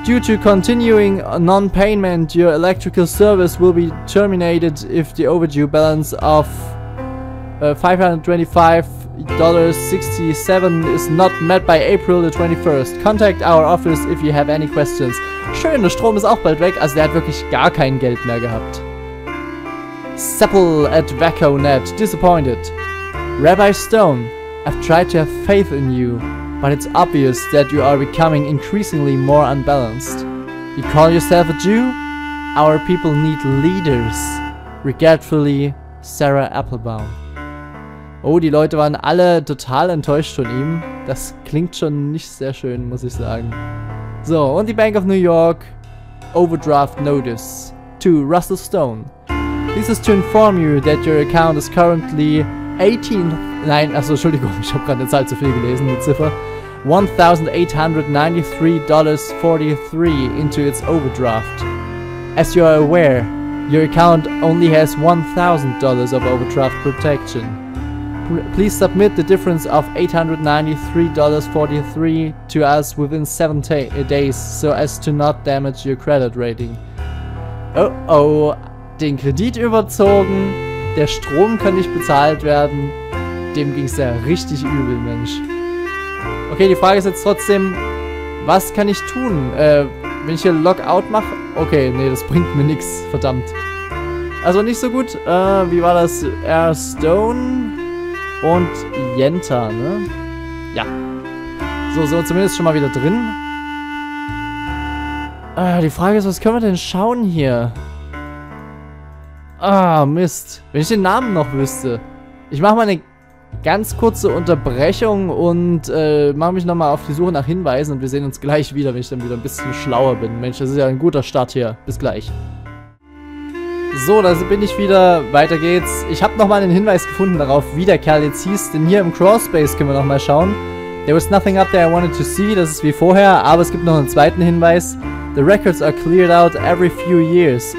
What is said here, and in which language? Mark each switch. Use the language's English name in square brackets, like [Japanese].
[English] Due to continuing non-payment, your electrical service will be terminated if the overdue balance of $525.67 is not met by April the 21st. Contact our office if you have any questions. [German] Schön, der Strom ist auch bald weg, also der hat wirklich gar kein Geld mehr gehabt. [English] Seppel at VacoNet. Disappointed. Rabbi Stone, I've tried to have faith in you. But it's obvious that you are becoming increasingly more unbalanced. You call yourself a Jew? Our people need leaders. Regretfully, Sarah Applebaum. [German] Oh, die Leute waren alle total enttäuscht von ihm. Das klingt schon nicht sehr schön, muss ich sagen. So, und die [English] Bank of New York. Overdraft Notice to Russell Stone. This is to inform you that your account is currently 18... [German] Nein, also Entschuldigung, ich habe gerade eine Zahl zu viel gelesen, eine Ziffer. [English] $1,893.43 into its overdraft. As you are aware, your account only has $1,000 of overdraft protection. Please submit the difference of $893.43 to us within 7 days, so as to not damage your credit rating. [German] Oh, den Kredit überzogen, der Strom kann nicht bezahlt werden. Dem ging's ja richtig übel, Mensch. Okay, die Frage ist jetzt trotzdem, was kann ich tun? Wenn ich hier Lockout mache? Okay, nee, das bringt mir nichts, verdammt. Also nicht so gut. Wie war das? R. Stone und Jenta, ne? Ja. So, sind wir zumindest schon mal wieder drin. Die Frage ist, was können wir denn schauen hier? Ah, Mist. Wenn ich den Namen noch wüsste. Ich mache mal eine ganz kurze Unterbrechung und mache mich nochmal auf die Suche nach Hinweisen und wir sehen uns gleich wieder, wenn ich dann wieder ein bisschen schlauer bin. Mensch, das ist ja ein guter Start hier. Bis gleich. So, da bin ich wieder. Weiter geht's. Ich habe nochmal einen Hinweis gefunden darauf, wie der Kerl jetzt hieß, denn hier im Crawlspace können wir nochmal schauen. [English] There was nothing up there I wanted to see, [German] das ist wie vorher, aber es gibt noch einen zweiten Hinweis. [English] The records are cleared out every few years.